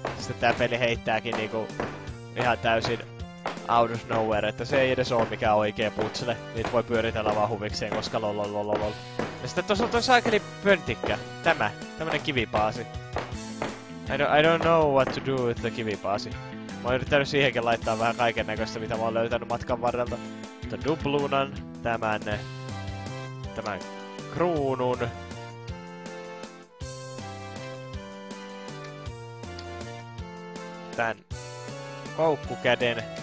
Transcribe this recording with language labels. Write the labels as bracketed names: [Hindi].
[Finnish] Että tää peli heittääkin niinku ihan täysin [English] out of nowhere, [Finnish] että se ei edes oo mikään oikee putsele. Niitä voi pyöritellä vaan huvikseen, koska lololololol. Ja sitten tossa on toi saakeli pöntikkä. Tämä. Tämmönen kivipaasi. [English] I don't know what to do with the kivipaasi. [Finnish] Mä oon yrittänyt siihenkin laittaa vähän kaiken näköistä, mitä mä oon löytänyt matkan varrelta. Mutta dubluunan, tämän kruunun. Tän koukkukäden.